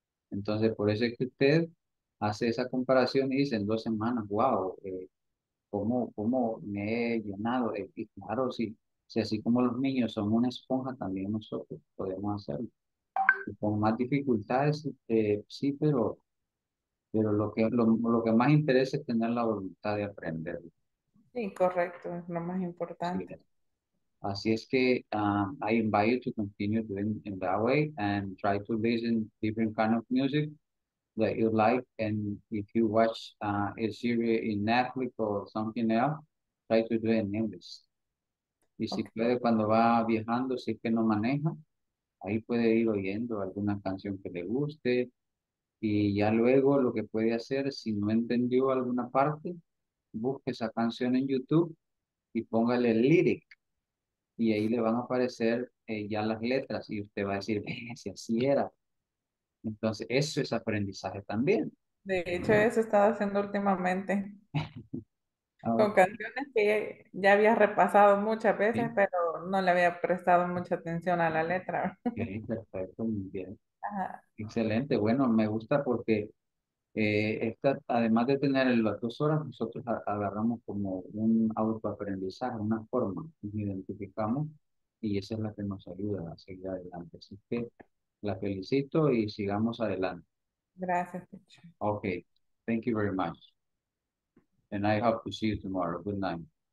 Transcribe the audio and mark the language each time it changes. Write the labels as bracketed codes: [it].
[es] Entonces, por eso es que usted hace esa comparación y dice en 2 semanas, wow, ¿cómo me he llenado? Y claro, si así como los niños son una esponja, también nosotros podemos hacerlo. Y con más dificultades, sí, pero lo que más interesa es tener la voluntad de aprenderlo. Sí, correcto, es lo más importante. Sí. Así es que [en] I invite you to continue doing in that way and try to listen different kind of music that you like. And if you watch a series in Netflix or something else, try to do it in English. [es] Y okay. Si puede, cuando va viajando, si es que no maneja, ahí puede ir oyendo alguna canción que le guste. Y ya luego lo que puede hacer, si no entendió alguna parte, busque esa canción en YouTube y póngale el lyric y ahí le van a aparecer ya las letras y usted va a decir, si así era. Entonces, eso es aprendizaje también. De hecho, eso he estado haciendo últimamente con canciones que ya había repasado muchas veces, ¿sí? Pero no le había prestado mucha atención a la letra. Bien, perfecto, muy bien. Ajá. Excelente, bueno, me gusta porque... además de tener las 2 horas, nosotros agarramos como un autoaprendizaje, una forma, nos identificamos y esa es la que nos ayuda a seguir adelante. Así que la felicito y sigamos adelante. Gracias. [en] Ok, thank you very much. And I hope to see you tomorrow. Good night.